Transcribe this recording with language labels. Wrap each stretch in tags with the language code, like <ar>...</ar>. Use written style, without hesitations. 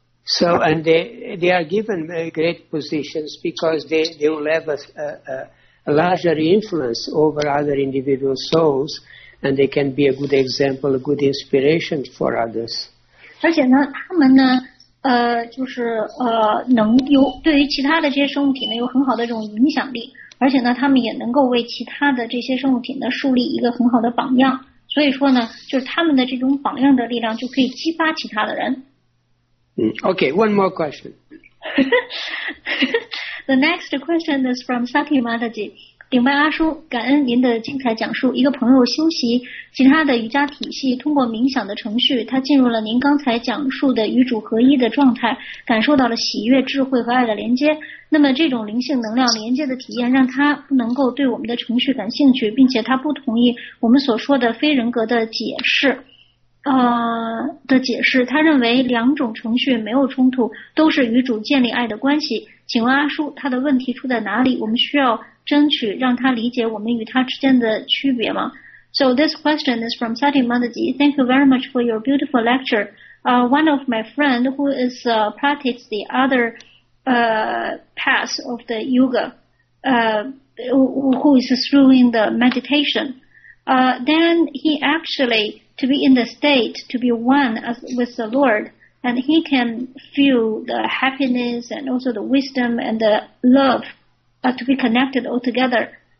<en>So, and they are given great positions because they will have a larger influence over other individual souls, and they can be a good example, a good inspiration for others.</en> <zh>而且呢，他们呢，就是能有对于其他的这些生物体呢有很好的这种影响力，而且呢，他们也能够为其他的这些生物体呢树立一个很好的榜样。所以说呢，就是他们的这种榜样的力量就可以激发其他的人。</zh> <en>Okay, one more question. The next question is from Sakhi Mataji.</en> <zh>顶拜阿叔，感恩您的精彩讲述。一个朋友修习其他的瑜伽体系，通过冥想的程序，他进入了您刚才讲述的与主合一的状态，感受到了喜悦、智慧和爱的连接。那么这种灵性能量连接的体验，让他不能够对我们的程序感兴趣，并且他不同意我们所说的非人格的解释。他认为两种程序没有冲突，都是与主建立爱的关系。请问阿叔，他的问题出在哪里？我们需要争取让他理解我们与他之间的区别吗？</zh> <en>So this question is from Sati Mataji. Thank you very much for your beautiful lecture. One of my friend who is practice the other path of the yoga, who is through in the meditation. Then he actually to be in the state, to be one as, with the Lord, and he can feel the happiness and also the wisdom and the love to be connected all together.</en>